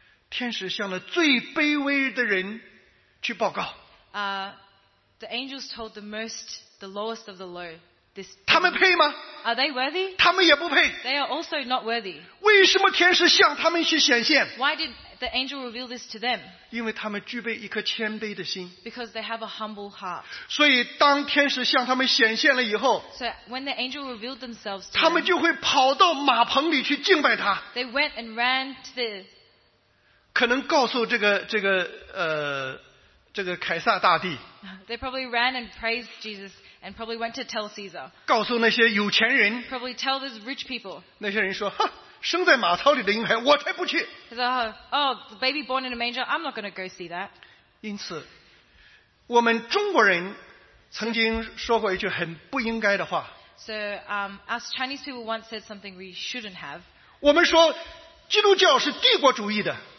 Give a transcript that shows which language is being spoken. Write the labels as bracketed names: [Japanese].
[Chinese] 天使向了最卑微的人去报告。 [English] The angels told the lowest of the low. [Chinese] 他们配吗？ [English] Are they worthy? [Chinese] 他们也不配。 [English] They are also not worthy. [Chinese] 为什么天使向他们去显现？ [English] Why did the angel reveal this to them? [Chinese] 因为他们具备一颗谦卑的心。 [English] Because they have a humble heart. [Chinese] 所以当天使向他们显现了以后， [English] So when the angel revealed themselves to [Chinese] them, 他们就会跑到马棚里去敬拜他。 [English] They went and ran to the, [Chinese] 可能告诉这个凯撒大帝。 [English] They probably ran and praised Jesus and probably went to tell Caesar. [Chinese] 告诉那些有钱人。 [English] Probably tell these rich people. [Chinese] 那些人说，哈，生在马槽里的婴孩，我才不去。 [English] The baby born in a manger, I'm not going to go see that. [Chinese] 因此，我们中国人曾经说过一句很不应该的话。 [English] So, us Chinese people once said something we shouldn't have. [Chinese] 我们说，基督教是帝国主义的。